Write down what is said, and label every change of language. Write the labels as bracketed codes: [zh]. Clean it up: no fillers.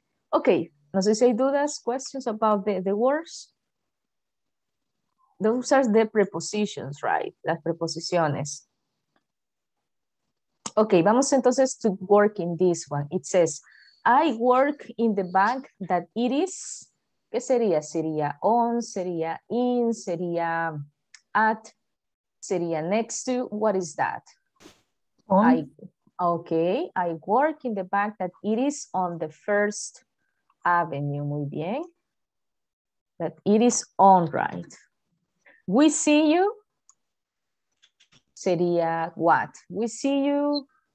[es] Okay, no sé si hay dudas, [en] questions about the words. Those are the prepositions, right? [es] Las preposiciones. Ok, vamos entonces [en] to work in this one. It says, I work in the bank that it is. [es] ¿Qué sería? Sería on, sería in, sería at, sería next to. [en] What is that? On. I work in the bank that it is on the First Avenue. [es] Muy bien. [en] That it is on, right? We see you. Sería what? We see you.